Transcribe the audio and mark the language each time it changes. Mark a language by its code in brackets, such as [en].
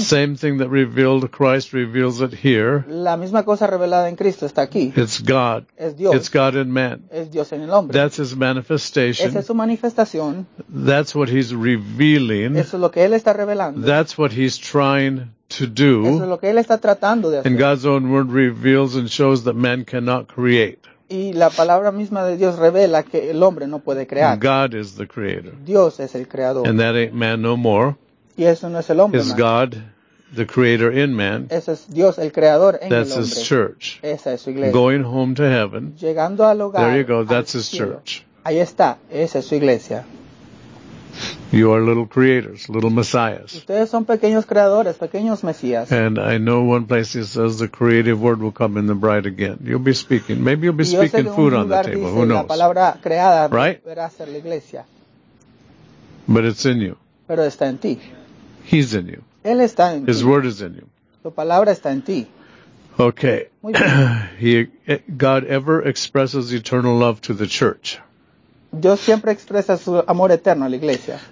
[en] Same thing that revealed Christ reveals it here. [es] La misma cosa revelada en Cristo está aquí. [en] It's God. [es] Es Dios. [en] It's God in man. [es] Es Dios en el hombre. [en] That's His manifestation. [es] Esa es su manifestación. [en] That's what He's revealing. [es] Eso es lo que Él está revelando. [en] That's what He's trying to do. [es] Eso es lo que Él está tratando de hacer. [en] And God's own word reveals and shows that man cannot create. [es] Y la palabra misma de Dios revela que el hombre no puede crear. [en] God is the creator. [es] Dios es el creador. [en] And that ain't man no more. [es] Y eso no es el hombre [en] más. Is God the creator in man. [es] Ese es Dios el creador en el hombre. [en] That's His church. [es] Esa es su iglesia. [en] Going home to heaven. [es] Llegando al hogar. [en] There you go. That's His church. [es] Ahí está. Esa es su iglesia. [en] You are little creators, little messiahs. [es] Ustedes son pequeños creadores, pequeños mesías. [en] And I know one place he says the creative word will come in the bride again. You'll be speaking. Maybe you'll be speaking food on the table. Who knows? [es] La palabra creada, [en] right? [es] Verá ser la iglesia. [en] But it's in you. [es] Pero está en ti. [en] He's in you. [es] Él está en [en] His [es] ti. [en] Word is in you. [es] Tu palabra está en ti. [en] Okay. [es] Muy bien. [en] God ever expresses eternal love to the church. [es] Dios siempre expresa su amor eterno a la iglesia.